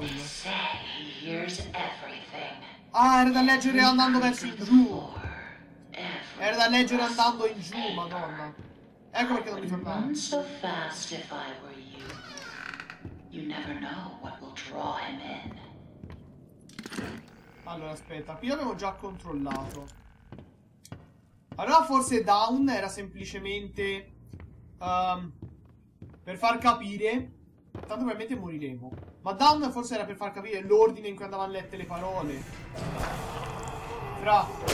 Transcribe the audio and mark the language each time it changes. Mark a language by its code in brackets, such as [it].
[en] They say he hears everything. [it] Ah, era da leggere andando verso in giù. Era da leggere andando in giù, madonna. Ecco perché non mi tornava. [en] Run so fast if I were you. You never know what will draw him in. [it] Allora, aspetta. Qui l'avevo già controllato. Allora forse down era semplicemente per far capire. Tanto probabilmente moriremo. Ma down forse era per far capire l'ordine in cui andavano lette le parole. Fra.